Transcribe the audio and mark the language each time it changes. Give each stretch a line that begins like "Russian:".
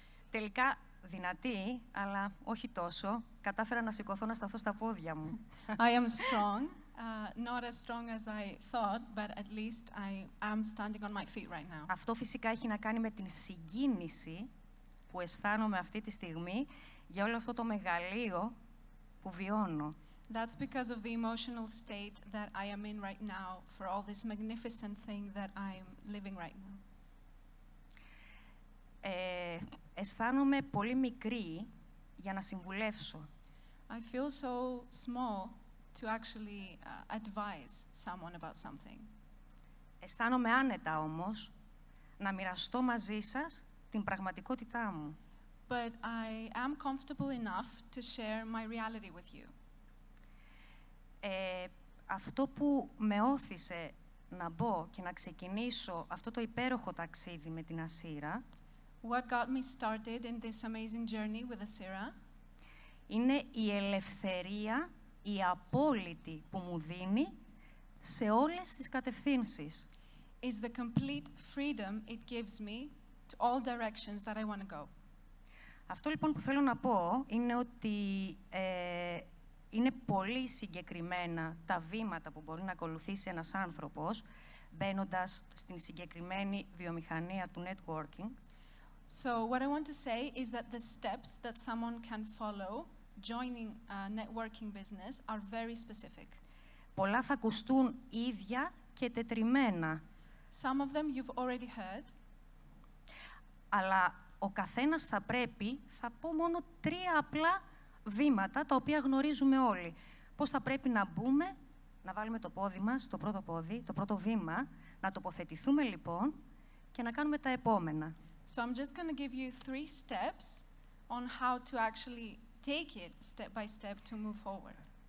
Greek: Τελικά δυνατή, αλλά όχι τόσο. Κατάφερα να σηκωθώ να σταθώ στα πόδια μου.
English: I am strong. Not as strong as I thought, but at least I am standing on my feet right now.
Greek: Αυτό φυσικά έχει να κάνει με την συγκίνηση που αισθάνομαι αυτή τη στιγμή για όλο αυτό το μεγαλείο που βιώνω.
English: That's because of the emotional state that I am in right now for all this magnificent thing that I'm living right now.
Greek: Αισθάνομαι πολύ μικρή για να συμβουλεύσω.
English: I feel so small to actually advise someone about something.
Greek: Αισθάνομαι άνετα όμως να μοιραστώ μαζί σας την πραγματικότητά μου.
English: But I am comfortable enough to share my reality with you.
Greek: Αυτό που με όθησε να μπω και να ξεκινήσω αυτό το υπέροχο ταξίδι με την ASCIRA,
English: what got me started in this amazing journey with ASCIRA,
Greek: είναι η ελευθερία, η απόλυτη που μου δίνει σε όλες τις κατευθύνσεις.
English: Is the complete freedom it gives me to all directions that I want to go.
Greek: Αυτό λοιπόν που θέλω να πω είναι ότι είναι πολύ συγκεκριμένα τα βήματα που μπορεί να ακολουθήσει ένας άνθρωπος μπαίνοντας στην συγκεκριμένη βιομηχανία του networking.
English: So what I want to say is that the steps that someone can follow joining a networking business are very specific.
Greek: Πολλά θα ακουστούν ίδια και τετριμένα.
English: Some of them you've already heard.
Greek: αλλά ο καθένας θα πρέπει, θα πω μόνο τρία απλά βήματα, τα οποία γνωρίζουμε όλοι. Πώς θα πρέπει να μπούμε, να βάλουμε το πόδι μας, το πρώτο πόδι, το πρώτο βήμα, να τοποθετηθούμε λοιπόν και να κάνουμε τα επόμενα.
English: So I'm just going to give you three steps on how to actually take it step by step to move forward.